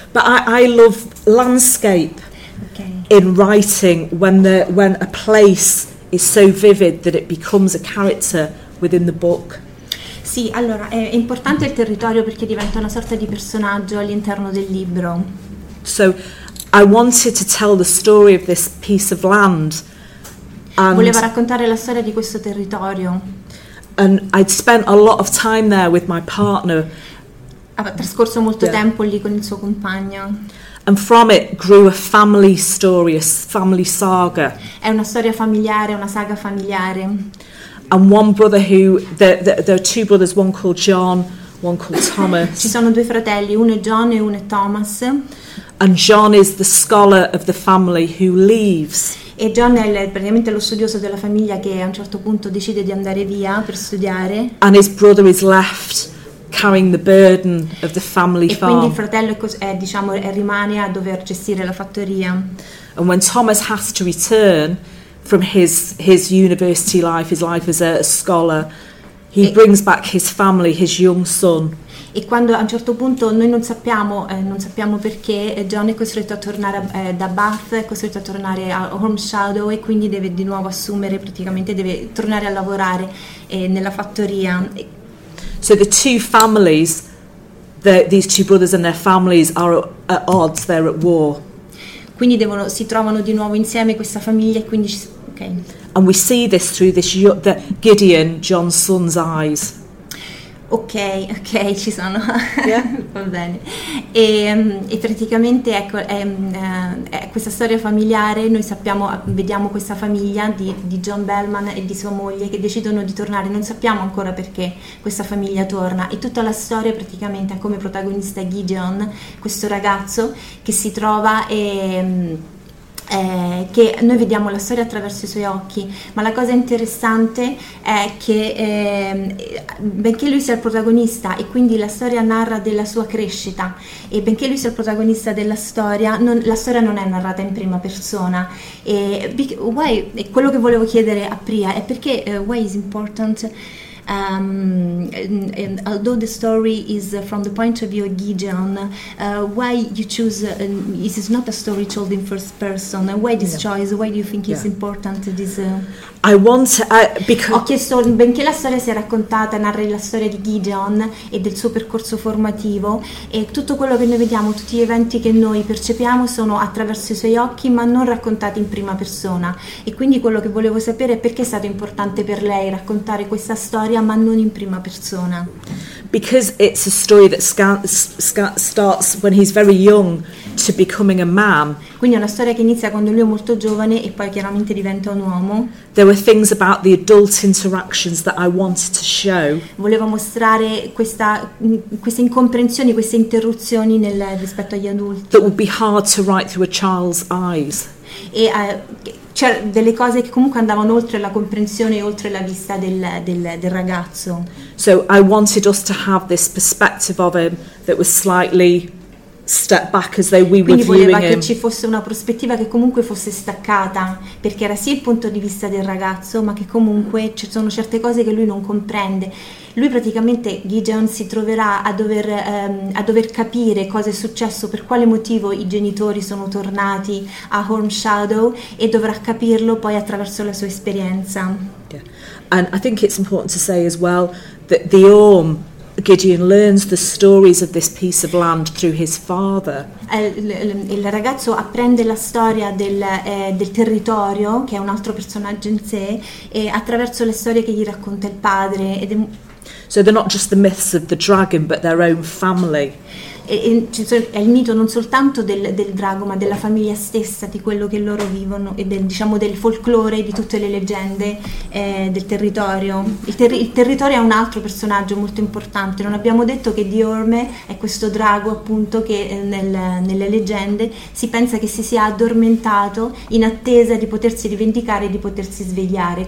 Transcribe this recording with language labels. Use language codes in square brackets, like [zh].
[en] But I love landscape in writing when a place is so vivid that it becomes a character within the book. [it] Sì, allora, è importante il territorio perché diventa una sorta di personaggio all'interno del libro. [en] So, I wanted to tell the story of this piece of land. [it] Voleva raccontare la storia di questo territorio. [en] And I'd spent a lot of time there with my partner. [it] Ha trascorso molto tempo lì con il suo compagno. [en] And from it grew a family story, a family saga. [it] È una storia familiare, una saga familiare. [en] And one brother who there are two brothers, one called John, one called Thomas. [it] Ci sono due fratelli, uno è John e uno è Thomas. [en] And John is the scholar of the family who leaves. [it] E John è praticamente lo studioso della famiglia che a un certo punto decide di andare via per studiare. [en] And his brother is left carrying the burden of the family farm. [it] E quindi il fratello rimane a dover gestire la fattoria. [en] And when Thomas has to return from his university life, his life as a scholar, he brings back his family, his young son. [it] E quando a un certo punto noi non sappiamo perché John è costretto a tornare da Bath, è costretto a tornare a Holmshadow e quindi deve di nuovo assumere, praticamente deve tornare a lavorare nella fattoria. [en] So the two families, these two brothers and their families are at odds, they're at war. [it] Quindi si trovano di nuovo insieme questa famiglia e quindi [en] And we see this through the Gideon, John's son's eyes. [it] Ok, ci sono. [en] Yeah. [it] Va bene. E praticamente ecco, è questa storia familiare, noi sappiamo, vediamo questa famiglia di John Bellman e di sua moglie che decidono di tornare, non sappiamo ancora perché questa famiglia torna. E tutta la storia praticamente ha come protagonista Gideon, questo ragazzo che si trova e... che noi vediamo la storia attraverso i suoi occhi, ma la cosa interessante è che benché lui sia il protagonista e quindi la storia narra della sua crescita e benché lui sia il protagonista della storia, la storia non è narrata in prima persona. [en] E why, [it] quello che volevo chiedere a Priya è perché [en] why is important and although the story is from the point of view of Gideon, why you choose this is not a story told in first person, and why this choice, why do you think it's important this I want because [it] ho chiesto benché la storia sia raccontata, narra la storia di Gideon e del suo percorso formativo e tutto quello che noi vediamo, tutti gli eventi che noi percepiamo sono attraverso i suoi occhi ma non raccontati in prima persona, e quindi quello che volevo sapere è perché è stato importante per lei raccontare questa storia ma non in prima persona. [en] Because it's a story that starts when he's very young to becoming a man. [it] Quindi è una storia che inizia quando lui è molto giovane e poi chiaramente diventa un uomo. [en] There were things about the adult interactions that I wanted to show. [it] Volevo mostrare queste incomprensioni, queste interruzioni rispetto agli adulti. [en] That would be hard to write through a child's eyes. [it] E c'erano delle cose che comunque andavano oltre la comprensione e oltre la vista del ragazzo. [en] So I wanted us to have this perspective of him that was slightly step back as though we were viewing him. [it] Quindi voleva che ci fosse una prospettiva che comunque fosse staccata, perché era sia il punto di vista del ragazzo, ma che comunque ci sono certe cose che lui non comprende. Lui praticamente, Gideon, si troverà a dover capire cosa è successo, per quale motivo i genitori sono tornati a Holmshadow e dovrà capirlo poi attraverso la sua esperienza. [en] Yeah. And I think it's important to say as well that the Orme Gideon learns the stories of this piece of land through his father. [it] Il ragazzo apprende la storia del territorio, che è un altro personaggio in sé, e attraverso le storie che gli racconta il padre. [en] So they're not just the myths of the dragon, but their own family. [it] È il mito non soltanto del drago, ma della famiglia stessa, di quello che loro vivono, e del folklore, di tutte le leggende del territorio. Il territorio è un altro personaggio molto importante. Non abbiamo detto che Diorme è questo drago, appunto, che nelle leggende si pensa che si sia addormentato in attesa di potersi rivendicare e di potersi svegliare.